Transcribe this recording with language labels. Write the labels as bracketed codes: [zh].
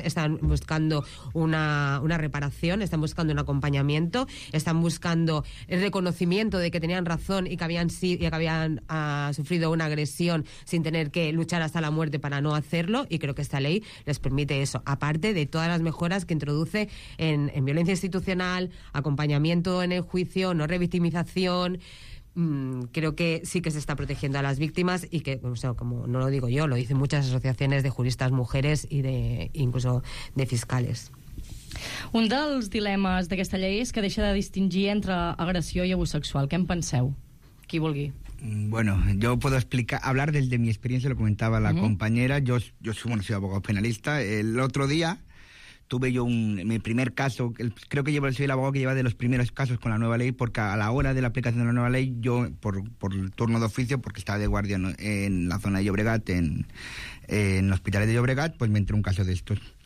[es] Están buscando una reparación, están buscando un acompañamiento, están buscando el reconocimiento de que tenían razón y que habían sufrido una agresión sin tener que luchar hasta la muerte para no hacerlo, y creo que esta ley les permite eso, aparte de todas las mejoras que introduce en violencia institucional, acompañamiento en el juicio, no revictimización. Creo que sí que se está protegiendo a las víctimas y que, o sea, como no lo digo yo, lo dicen muchas asociaciones de juristas mujeres y de incluso de fiscales. [ca] Un dels dilemes d'aquesta llei és que deixa de distingir entre agressió i abús sexual. Què en penseu? Qui vulgui. [es] Bueno, yo puedo hablar desde mi experiencia, lo comentaba la compañera. Soy abogado penalista. El otro día tuve yo mi primer caso, soy el abogado que lleva de los primeros casos con la nueva ley, porque a la hora de la aplicación de la nueva ley, yo por turno de oficio, porque estaba de guardia en la zona de Llobregat, en hospitales de Llobregat, pues me entró un caso de estos.